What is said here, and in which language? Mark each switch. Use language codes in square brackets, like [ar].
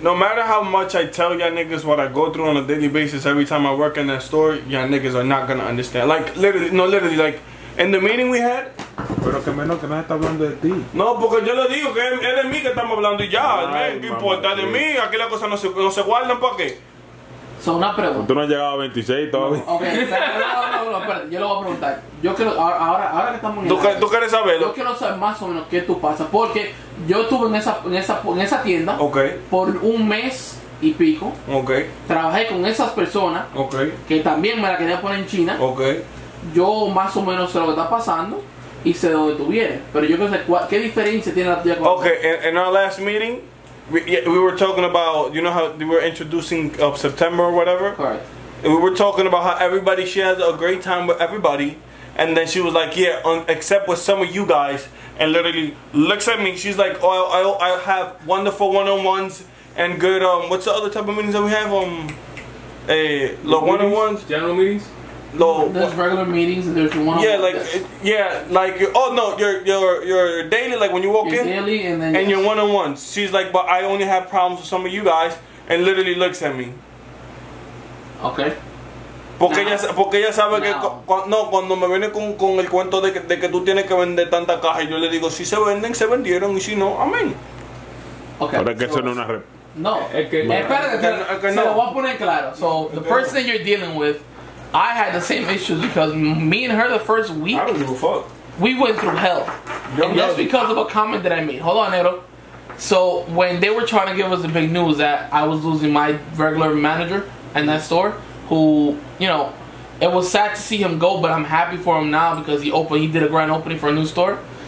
[en] No matter how much I tell y'all niggas what I go through on a daily basis every time I work in that store, y'all niggas are not gonna understand. Like, literally, like, in the meeting we had. [es] Pero que menos que nadie está hablando de ti. No, porque yo le digo que es de mí que estamos hablando y ya. Ay, man, ¿qué importa de mí? Aquí las cosas no se guardan, ¿para qué? Son una pregunta. Tú no has llegado a 26 todavía. No, ok, no, espérate, yo lo voy a preguntar. Yo quiero, ahora que estamos en ¿Tú quieres saberlo? Yo quiero saber más o menos qué tú pasas. Porque yo estuve en esa tienda. Ok. Por un mes y pico. Ok. Trabajé con esas personas. Ok. Que también me la quería poner en China. Ok. Yo más o menos sé lo que está pasando y sé de dónde tú vienes. Pero yo quiero saber qué diferencia tiene la tuya con [en] Ok, en our last meeting. We were talking about, you know how we were introducing September or whatever. Correct. And we were talking about how everybody, she has a great time with everybody. And then she was like, yeah, except with some of you guys. And literally looks at me. She's like, oh, I have wonderful one-on-ones and good, what's the other type of meetings that we have? One-on-ones? General meetings? No. There's regular meetings and there's one-on-one. Yeah, like, oh no, your daily, like when you walk your in. Daily and then. And your one-on-one. She's like, but I only have problems with some of you guys, and literally looks at me. Okay. [es] Porque ella sabe que cuando me viene con el cuento de que tú tienes que vender tanta caja, yo le digo, si se venden, se vendieron, y si no, amén. Okay. Ahora que eso no es una. No. Espérate, se lo voy a poner claro. [en] So, the person that you're dealing with, I had the same issues because me and her the first week, I don't give a fuck. We went through hell. And just because of a comment that I made. Hold on, Nero. So when they were trying to give us the big news that I was losing my regular manager in that store, who, you know, it was sad to see him go, but I'm happy for him now because he did a grand opening for a new store.